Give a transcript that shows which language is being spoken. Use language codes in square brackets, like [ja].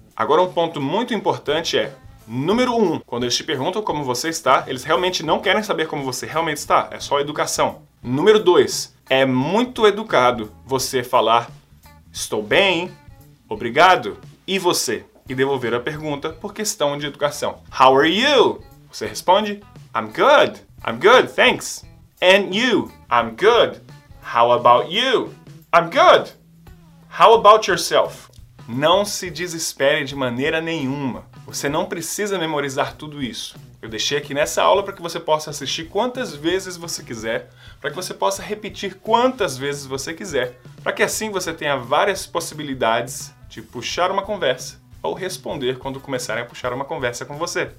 [pt] Agora um ponto muito importante é, número 1, quando eles te perguntam como você está, eles realmente não querem saber como você realmente está, é só educação. Número 2, é muito educado você falar, estou bem, obrigado. E você? E devolver a pergunta por questão de educação. [en] How are you? [pt] Você responde, [en] I'm good. I'm good, thanks. And you? I'm good. How about you? I'm good. How about yourself? [pt] Não se desespere de maneira nenhuma. Você não precisa memorizar tudo isso. Eu deixei aqui nessa aula para que você possa assistir quantas vezes você quiser, para que você possa repetir quantas vezes você quiser, para que assim você tenha várias possibilidades de puxar uma conversa ou responder quando começarem a puxar uma conversa com você.